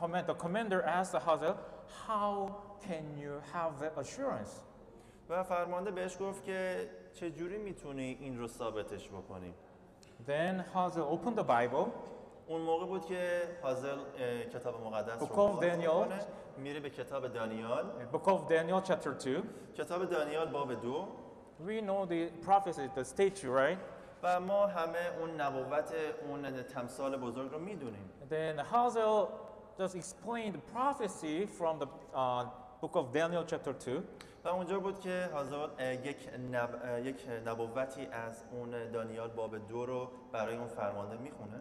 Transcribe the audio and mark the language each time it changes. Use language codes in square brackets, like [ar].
[en] The commander asked Hazel, "How can you have the assurance?" [fa] و فرمانده بهش گفت که چجوری میتونی این رو ثابتش بکنی؟ [en] Then Hazel opened the Bible. [fa] اون موقع بود که هازل کتاب مقدس رو خواهد کنه. میره به کتاب دانیال. [en] Book of Daniel chapter 2. [fa] کتاب دانیال باب 2. [en] We know the prophecy, the statue, right? [fa] و ما همه اون نبوت اون تمثال بزرگ رو میدونیم. [en] Then Hazel just explained the prophecy from the Book of Daniel chapter 2. [fa] و اونجا بود که حضرت یک نبوتی از اون دانیال باب 2 رو برای اون فرمانده میخونه.